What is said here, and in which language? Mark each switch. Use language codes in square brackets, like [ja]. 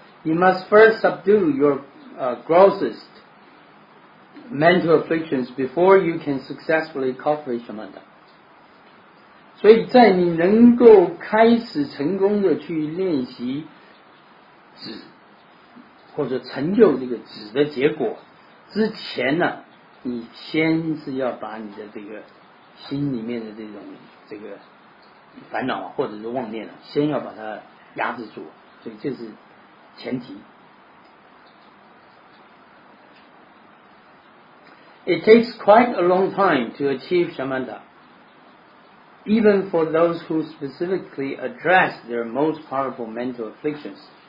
[en] You must first subdue your grossest mental afflictions before you can successfully cultivate shamatha。 [zh] 所以在你能够开始成功的去练习止，或者成就这个止的结果之前呢，你先是要把你的这个心里面的这个烦恼或者是妄念啊，先要把它压制住，所以这是前提。 [en] It takes quite a long time to achieve shamatha, even for those who specifically address their most powerful mental afflictions.